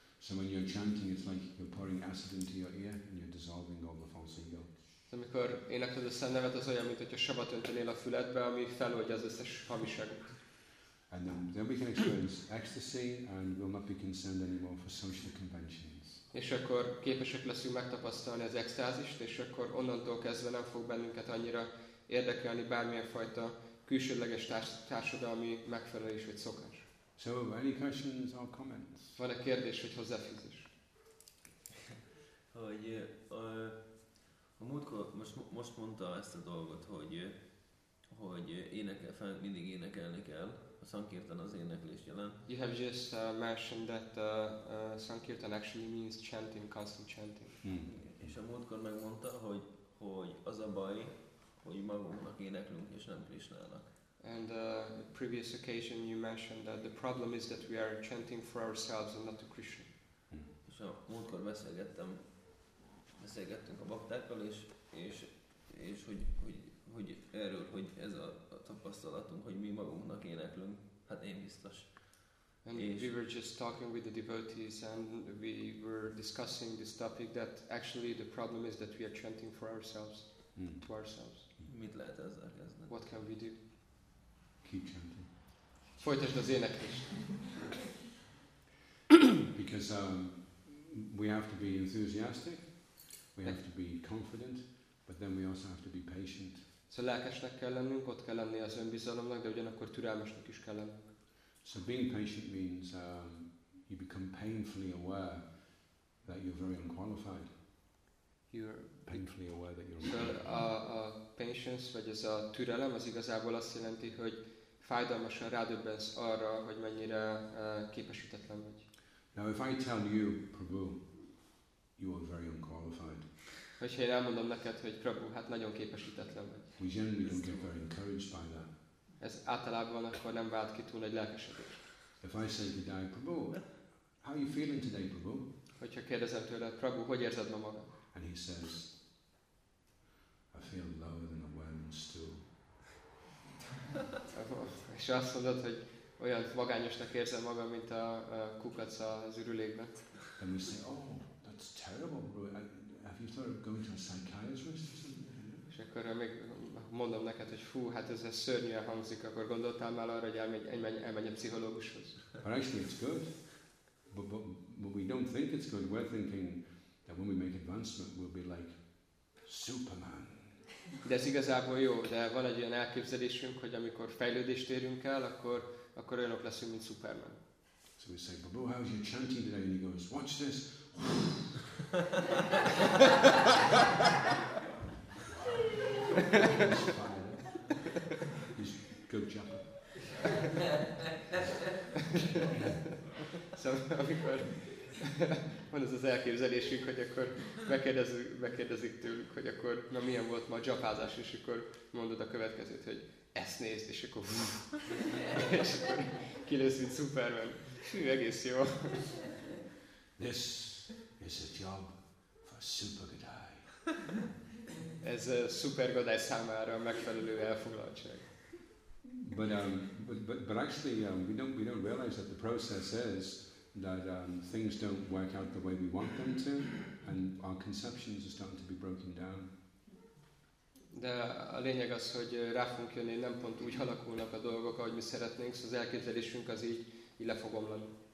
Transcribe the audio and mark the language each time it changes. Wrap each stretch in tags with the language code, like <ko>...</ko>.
<en>So when you're chanting, it's like you're pouring acid into your ear and you're dissolving all the false ego.</en> <hu>Amikor énekled a szent nevet, az olyan, mint hogyha sabat öntenél a füledbe, ami feloldja az összes hamis egót.</hu> <en>And then we can experience ecstasy and we'll not be concerned anymore for social conventions.</en> <hu>És akkor képesek leszünk megtapasztalni az extázist, és akkor onnantól kezdve nem fog bennünket annyira érdekelni bármilyen fajta külsődleges társadalmi megfelelés vagy szokás.</hu> <en>So, any questions or comments?</en> <hu>Van-e kérdés vagy hozzáfűzés? Hogy a múltkor, most mondta ezt a dolgot, hogy mindig énekelni kell. A sankirtan az éneklés jelen.</hu> <en>You have just mentioned that sankirtan actually means chanting, constant chanting. Hmm.</en> <hu>És a múltkor megmondta, hogy az a baj, hogy magunknak éneklünk és nem Krishnának.</hu> <en>And the previous occasion you mentioned that the problem is that we are chanting for ourselves and not to Krishna. Hmm.</en> <hu>És a múltkor beszélgettünk a baktákkal, és hogy erről, hogy ez a tapasztalatunk, hogy mi magunknak éneklünk, hát én biztos.</hu> <en>And we were just talking with the devotees and we were discussing this topic that actually the problem is that we are chanting for ourselves, to ourselves.</en> <hu>Mit lehet ezzel kezdeni?</hu> <en>What can we do? Keep chanting.</en> <hu>Folytasd az éneklést.</hu> <en>Because we have to be enthusiastic, we have to be confident, but then we also have to be patient.</en> <hu>So lelkesnek kell lennünk, ott kell lenni az önbizalomnak, de ugyanakkor türelmesnek is kell lennünk.</hu> <en>So being patient means you become painfully aware that you're very unqualified. You're painfully aware that you're unqualified.</en> <hu>A patience, vagy ez a türelem, az igazából azt jelenti, hogy fájdalmasan rádöbbensz arra, hogy mennyire képesítetlen vagy.</hu> <en>Now if I tell you, Prabhu, you are very unqualified.</en> <hu>Hogyha én elmondom neked, hogy Prabhu, hát nagyon képesítetlen vagy.</hu> <en>We generally don't get very encouraged by that.</en> <hu>Ez általában akkor nem vált ki túl egy lelkesedés.</hu> <en>If I say to Dai, Prabhu, how are you feeling today, Prabhu?</en> <hu>Hogyha kérdezem tőle, Prabhu, hogy érzed ma magad?</hu> <en>And he says, I feel lower than a worm in stool.</en> <hu>És azt mondod, hogy olyan magányosnak érzem magam, mint a kukac az ürülékben.</hu> <en>And we say, oh, that's terrible. Have you thought of going to a psychiatrist?</en> <hu>És akkor még mondom neked, hogy fú, hát ez szörnyűen hangzik, akkor gondoltál már arra, hogy elmenj a pszichológushoz?</hu> <en>But actually it's good. But we don't think it's good. We're thinking that when we make advancement, we'll be like Superman.</en> <hu>De ez igazából jó, de van egy olyan elképzelésünk, hogy amikor fejlődést érünk el, akkor olyanok leszünk, mint Superman.</hu> <en>So we say, Babu, how's your chanting today? And he goes, watch this. He's good jumper.</en> <hu>So, amikor van ez az elképzelésünk, hogy akkor megkérdezik tőlük, hogy akkor na, milyen volt ma a japázás, és akkor mondod a következőt, hogy ezt nézd, és akkor hú, és akkor kilősz, mint Superman. Hű, egész jó.</hu> <en>This is a job for Super Godai.</en> <hu>Ez a Super Godai számára a megfelelő elfoglaltság.</hu> <en>But actually, we don't realize that the process is that things don't work out the way we want them to, and our conceptions are starting to be broken down.</en> <hu>De a lényeg az, hogy rá fogunk jönni, nem pont úgy alakulnak a dolgok, ahogy mi szeretnénk, szóval az elképzelésünk az így le fog omlani.</hu>